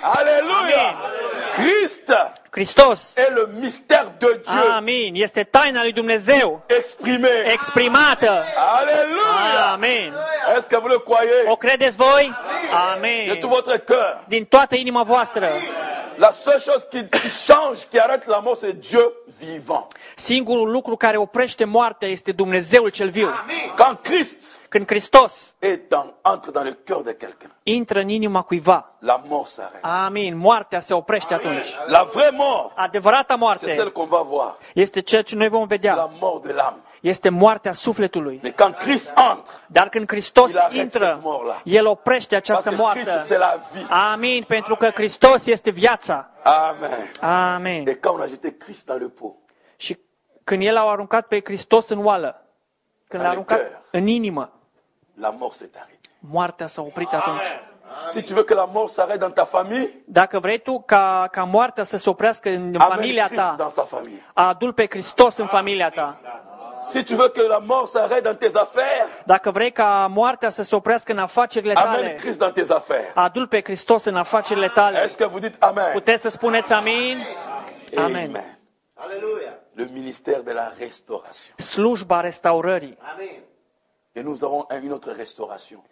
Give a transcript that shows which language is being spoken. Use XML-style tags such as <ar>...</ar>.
<ro>Aleluia. Christ. Hristos.</ro> <fr>Est le mystère de Dieu.</fr> <ro>Amin. Este taina lui Dumnezeu.</ro> <fr>Exprimé.</fr> <ro>Exprimată. Aleluia. Amen.</ro> <fr>Est-ce que vous le croyez?</fr> <ro>O credeți voi? Amin.</ro> <fr>De tout votre cœur.</fr> <ro>Din toată inima voastră.</ro> <fr>La seule chose qui change, qui arrête la mort, c'est Dieu vivant.</fr> <ro>Singurul lucru care oprește moartea este Dumnezeul cel viu.</ro> <fr>Quand Christ.</fr> <ro>Când Hristos. Intră</ro> <fr>dans le cœur de quelqu'un.</fr> <ro>Intră în inima cuiva.</ro> <fr>La mort s'arrête. Amin.</fr> <ro>Moartea se oprește atunci.</ro> <fr>La vraie mort.</fr> <ro>Adevărata moarte.</ro> <fr>C'est celle qu'on va voir.</fr> <ro>Este ceea ce noi vom vedea.</ro> <fr>C'est la mort de l'âme.</fr> <ro>Este moartea sufletului.</ro> <fr>Mais quand Christ entre,</fr> <ro>dar când Hristos intră, el oprește această moarte.</ro> <fr>Christ, c'est la vie.</fr> <ro>Amin, pentru că Hristos este viața. Amen. Amen.</ro> <fr>Et quand on a jeté Christ dans le pot.</fr> <ro>Și când el a aruncat pe Hristos în oală, când l-a aruncat în inimă,</ro> <fr>la mort s'est arrêtée.</fr> <ro>Moartea s-a oprit atunci.</ro> <fr>Si tu veux que la mort s'arrête dans ta famille,</fr> <ro>dacă vrei tu ca moartea să se oprească în familia ta, adu-l pe Hristos în familia ta.</ro> <fr>Si tu veux que la mort s'arrête dans tes affaires.</fr> <ro>Dacă vrei ca moartea să se oprească în afacerile tale.</ro> <fr>Amen Christ dans tes affaires.</fr> <ro>Adu-l pe Hristos în afacerile tale.</ro> <fr>Est-ce que vous dites amen?</fr> <ro>Puteți să spuneți amin?</ro> <fr>Amen. Amen. Alléluia. Le ministère de la restauration.</fr> <ro>Slujba restaurării.</ro> <fr>Amen. Et nous avons une autre restauration.</fr>